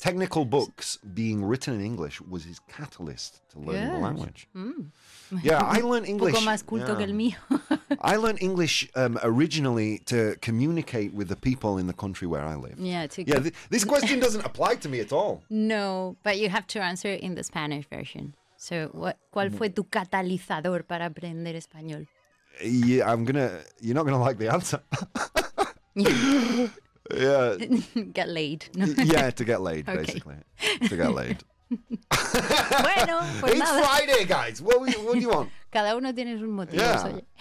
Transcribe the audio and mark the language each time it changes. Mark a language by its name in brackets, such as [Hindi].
[English] Yeah. Technical books being written in English was his catalyst to learning the language. Mm. Yeah, I learned English. [Spanish] Poco más culto que el mío. [English] I learned English originally to communicate with the people in the country where I live. Yeah, this question doesn't apply to me at all. No, but you have to answer it in the Spanish version. [Spanish] So, ¿cuál fue tu catalizador para aprender español? [English] Yeah, you're not going to like the answer. Yeah. Get laid. Yeah, to get laid, basically. To get laid. [Spanish] Bueno, [English] it's [Spanish] nada. [English] Friday, guys. What do you want? [Spanish] Cada uno tiene sus motivos.